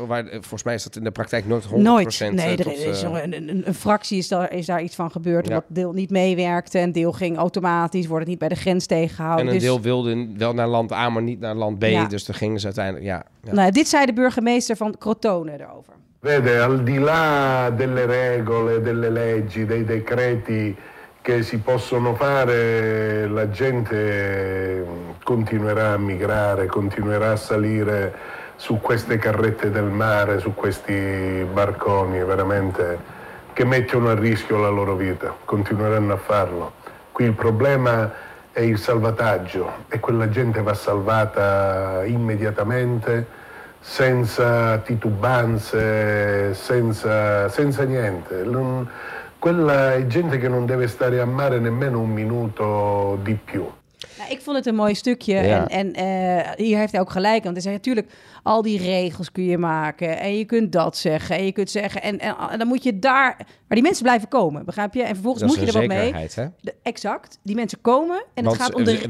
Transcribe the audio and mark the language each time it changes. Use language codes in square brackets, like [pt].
[nl] Volgens mij is dat in de praktijk nooit 100%. Nee, een fractie is daar iets van gebeurd. Ja. Wat deel niet meewerkte. Een deel ging automatisch, wordt het niet bij de grens tegengehouden. En een deel wilde wel naar land A, maar niet naar land B. Ja. Dus dan gingen ze uiteindelijk, ja. Nou, dit zei de burgemeester van Crotone erover. [it] Vede, al di là delle regole, delle leggi, dei decreti che si possono fare, la gente continuerà a migrare, continuerà a salire su queste carrette del mare, su questi barconi, veramente, che mettono a rischio la loro vita. Continueranno a farlo. Qui il problema è il salvataggio e quella gente va salvata immediatamente, senza titubanze, senza niente. Quella è gente che non deve stare a mare nemmeno un minuto di più. [nl] Nou, ik vond het een mooi stukje. Ja. En hier heeft hij ook gelijk. Want hij zei natuurlijk, al die regels kun je maken. En je kunt dat zeggen. En je kunt zeggen. En dan moet je daar. Maar die mensen blijven komen, begrijp je? En vervolgens dat moet je er wat mee. Hè? Exact. Die mensen komen. En want, het gaat om de redden.